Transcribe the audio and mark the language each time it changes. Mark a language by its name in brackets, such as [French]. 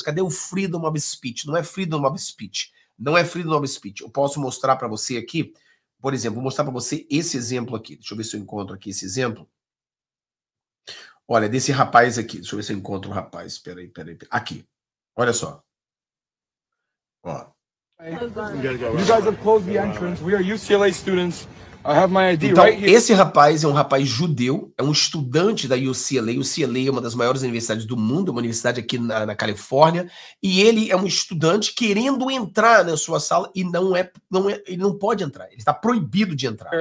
[Portuguese] Cadê o [English] freedom of speech? [Portuguese] Não é freedom of speech. Não é freedom of speech. Eu posso mostrar para você aqui. Por exemplo, vou mostrar para você esse exemplo aqui. Deixa eu ver se eu encontro aqui esse exemplo. Olha, desse rapaz aqui. Deixa eu ver se eu encontro o rapaz. Espera aí. Aqui. Olha só. Ó. [English] You guys have closed the entrance. We are UCLA students. I have my ID. [Portuguese] Então, esse rapaz é um rapaz judeu, é um estudante da UCLA. UCLA é uma das maiores universidades do mundo, uma universidade aqui na Califórnia, e ele é um estudante querendo entrar na sua sala e não é, ele não pode entrar, ele está proibido de entrar.